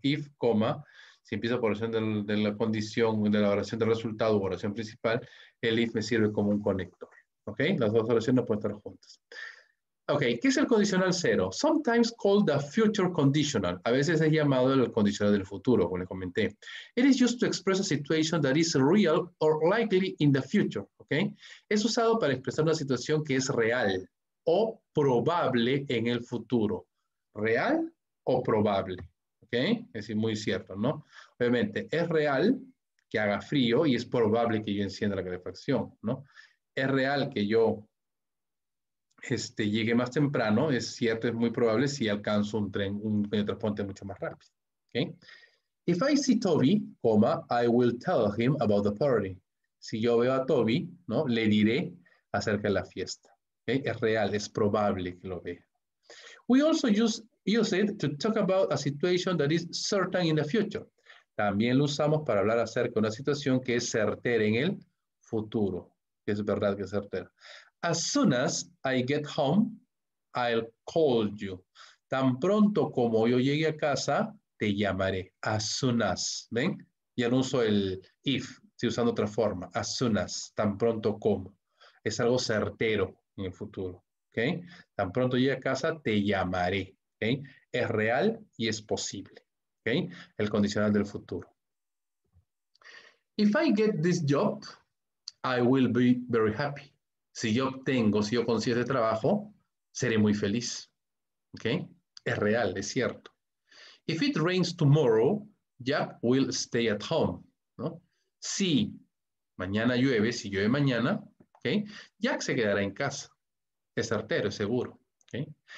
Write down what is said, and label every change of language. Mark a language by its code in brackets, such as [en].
[es] If, si empiezo por oración de la condición de la oración del resultado o oración principal, el if me sirve como un conector. Okay, las dos oraciones pueden estar juntas. Okay, ¿qué es el condicional cero? [en] Sometimes called the future conditional. [es] A veces es llamado el condicional del futuro, como les comenté. [en] It is used to express a situation that is real or likely in the future. [es] Okay, es usado para expresar una situación que es real o probable en el futuro. Real o probable. Okay, es muy cierto, ¿no? Obviamente, es real que haga frío y es probable que yo encienda la calefacción, ¿no? Es real que yo llegue más temprano, es cierto, es muy probable si alcanzo un tren, un transporte mucho más rápido. ¿Okay? [en] If I see Toby, I will tell him about the party. [es] Si yo veo a Toby, ¿no? Le diré acerca de la fiesta. ¿Okay? Es real, es probable que lo vea. [en] We also use it to talk about a situation that is certain in the future. [es] También lo usamos para hablar acerca de una situación que es certera en el futuro. Que es verdad, que es certera. [en] As soon as I get home, I'll call you. [es] Tan pronto como yo llegue a casa, te llamaré. As soon as. ¿Ven? Ya no uso el if, estoy usando otra forma. As soon as. Tan pronto como. Es algo certero en el futuro. ¿Ok? Tan pronto llegue a casa, te llamaré. ¿Ok? Es real y es posible. ¿Ok? El condicional del futuro. [en] If I get this job, I will be very happy. [es] Si yo obtengo, si yo consigo este trabajo, seré muy feliz. ¿Okay? Es real, es cierto. [en] If it rains tomorrow, Jack will stay at home. [es] ¿No? Si mañana llueve, si llueve mañana, ¿okay? Jack se quedará en casa. Es certero, es seguro. ¿Okay?